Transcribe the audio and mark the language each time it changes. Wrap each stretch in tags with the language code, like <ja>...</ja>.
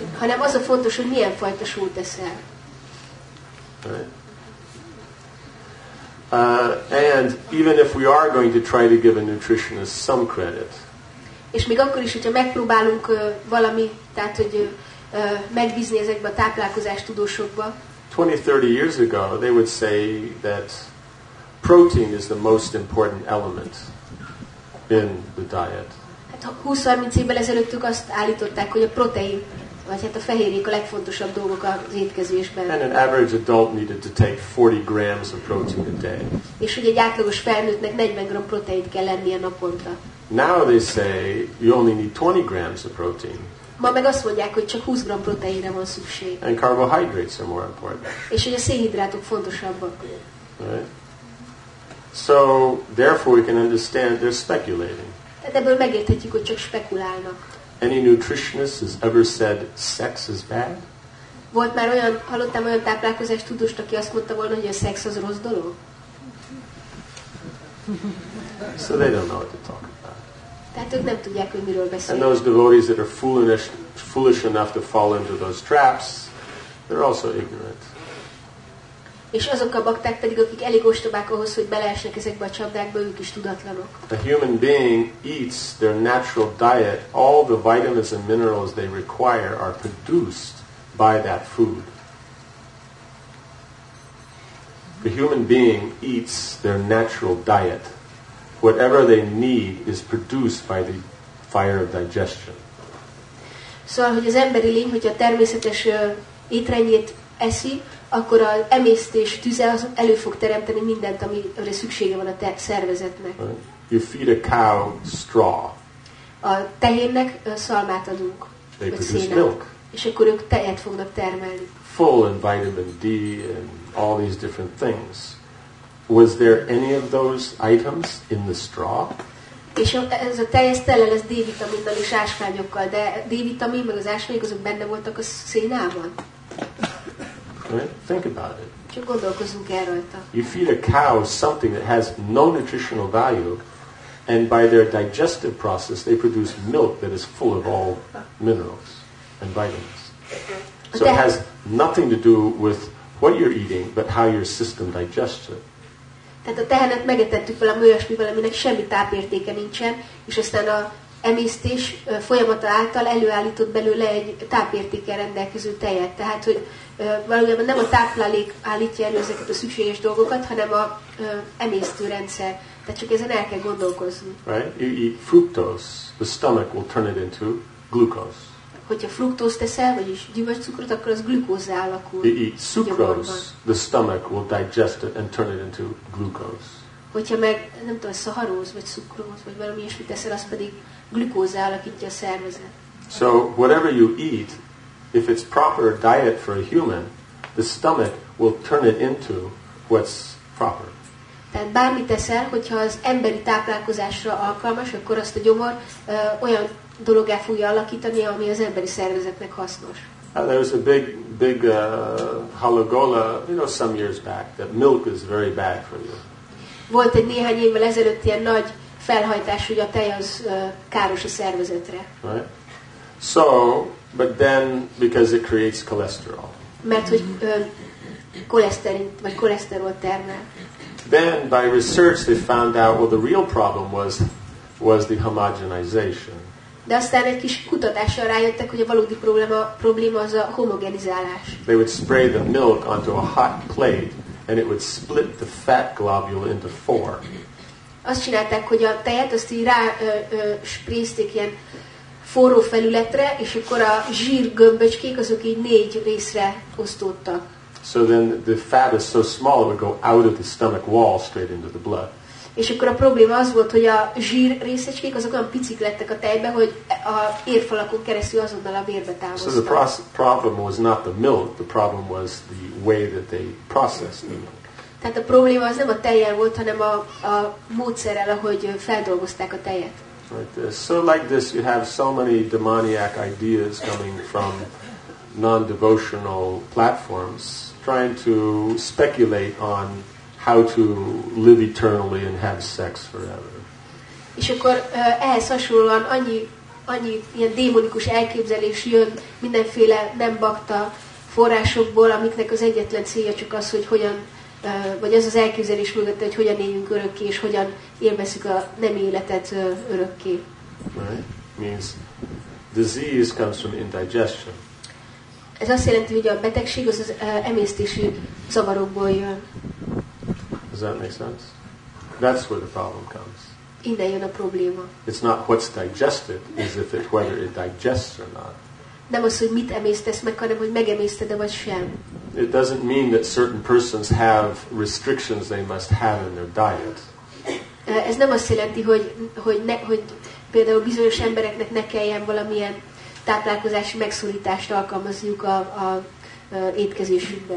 <hu>Hanem az a fontos, hogy milyen fajta sót eszel.</hu> <en>And even if we are going to try to give a nutritionist some credit.</en> <hu>És még akkor is, hogyha megpróbálunk valami, tehát hogy megbízni ezekbe a táplálkozás tudósokba.</hu> <en>20-30 years ago, they would say that protein is the most important element in the diet.</en> <hu>Hát 20-30 évvel ezelőttük azt állították, hogy a protein, vagy hát a fehérjék a legfontosabb dolgok az étkezésben.</hu> <en>And an average adult needed to take 40 grams of protein a day.</en> <hu>És hogy egy átlagos felnőttnek 40 gram proteint kell lennie a naponta.</hu> <en>Now they say you only need 20 grams of protein.</en> <hu>Ma meg azt mondják, hogy csak 20 gram proteinre van szükség.</hu> <en>And carbohydrates are more important.</en> <hu>És hogy a szénhidrátok fontosabbak.</hu> <en>Right. So therefore we can understand they're speculating.</en> <hu>Tehát ebből megérthetjük, hogy csak spekulálnak.</hu> <en>Any nutritionist has ever said sex is bad?</en> <hu>Volt már olyan, hallottam olyan táplálkozást tudóst, aki azt mondta volna, hogy a szex az rossz dolog?</hu> <en>So they don't know what to talk about.</en> <hu>Tehát ők nem tudják, hogy miről beszélnek.</hu> <en>And those devotees that are foolish enough to fall into those traps, they're also ignorant.</en> <hu>És azok a bakták pedig, akik elég ostobák ahhoz, hogy beleesnek ezekbe a csapdákba, ők is tudatlanok.</hu> <en>A human being eats their natural diet. All the vitamins and minerals they require are produced by that food. The human being eats their natural diet. Whatever they need is produced by the fire of digestion.</en> <hu>Szóval, hogy az emberi lény, hogyha természetes étrendjét eszi, akkor az emésztés tüze az elő fog teremteni mindent, amire szüksége van a szervezetnek.</hu> <en>Right. You feed a cow straw.</en> <hu>A tehénnek szalmát adunk.</hu> <en>They produce</en> <hu>szénát.</hu> <en>Milk.</en> <hu>És akkor ők tejet fognak termelni.</hu> <en>Full in vitamin D and all these different things. Was there any of those items in the straw?</en> <hu>És ez a tej tele lesz D-vitaminnal és ásványokkal, de D-vitamin meg az ásványok azok benne voltak a szénában.</hu> <en>Right? Think about it.</en> <hu>Csak gondolkozzunk el rajta.</hu> <en>You feed a cow something that has no nutritional value, and by their digestive process they produce milk that is full of all minerals and vitamins. So it has nothing to do with what you're eating, but how your system digests it.</en> <hu>Tehát a tehenet megetettük valami olyasmivel, aminek semmi tápértéke nincsen, és aztán a emésztés folyamata által előállított belőle egy tápértékkel rendelkező tejet. Tehát, hogy valójában nem a táplálék állítja elő ezeket a szükséges dolgokat, hanem a emésztőrendszer. Tehát csak ezen el kell gondolkozni.</hu> <en>Right? You eat fructose, the stomach will turn it into glucose.</en> <hu>Hogyha fruktózt teszel, vagyis gyümölcscukrot, akkor az glükózzá alakul.</hu> <en>You eat sucrose, the stomach will digest it and turn it into glucose.</en> <hu>Hogyha meg, nem tudom, szaharóz, vagy cukróz, vagy valami ilyesmit teszel, az pedig glükózzá alakítja a szervezet.</hu> <en>So, whatever you eat, if it's proper diet for a human, the stomach will turn it into what's proper.</en> <hu>Tehát bármit teszel, hogyha az emberi táplálkozásra alkalmas, akkor azt a gyomor olyan dologgá fogja alakítani, ami az emberi szervezetnek hasznos.</hu> <en>There was a big halagola, you know, some years back, that milk is very bad for you.</en> <hu>Volt egy néhány évvel ezelőtt ilyen nagy felhajtás, hogy a tej az káros a szervezetre.</hu> <en>Right. So, but then, because it creates cholesterol.</en> <hu>Mert hogy koleszterint, vagy koleszterolt termel.</hu> <en>Then, by research, they found out, well, the real problem was the homogenization.</en> <hu>De aztán egy kis kutatással rájöttek, hogy a valódi probléma az a homogenizálás.</hu> <en>They would spray the milk onto a hot plate, and it would split the fat globule into four.</en> <hu>Azt csinálták, hogy a tejet azt így rá sprézték ilyen forró felületre, és akkor a zsírgömböcskék azok így négy részre osztódtak.</hu> <en>So then the fat is so small it would go out of the stomach wall straight into the blood.</en> <hu>És akkor a probléma az volt, hogy a zsír részecskék azok olyan picik lettek a tejbe, hogy a érfalakon keresztül azonnal a vérbe távoztak.</hu> <en>So the problem was not the milk, the problem was the way that they processed the milk.</en> <hu>Tehát a probléma az nem a tejjel volt, hanem a módszerrel, ahogy feldolgozták a tejet.</hu> <en>So like this, you have so many demoniac ideas coming from non-devotional platforms trying to speculate on how to live eternally and have sex forever.</en> <hu>És akkor ehhez hasonlóan annyi ilyen démonikus elképzelés jön mindenféle nem bakta forrásokból, amiknek az egyetlen célja csak az, hogy hogyan, vagy az az elképzelés mögötte, hogy hogyan éljünk örökké, és hogyan élvezzük a nem életet örökké.</hu> <en>Right? Means disease comes from indigestion.</en> <hu>Ez azt jelenti, hogy a betegség az emésztési zavarokból jön.</hu> <en>Does that make sense? That's where the problem comes.</en> <hu>Innen jön a probléma.</hu> <en>It's not what's digested, is if it whether it digests or not.</en> <hu>Nem az, hogy mit emésztesz meg, hanem hogy megemészted-e vagy sem.</hu> <en>It doesn't mean that certain persons have restrictions they must have in their diet.</en> <hu>Ez nem azt jelenti, hogy például bizonyos embereknek ne kelljen valamilyen táplálkozási megszorítást alkalmazjuk a étkezésükben.</hu>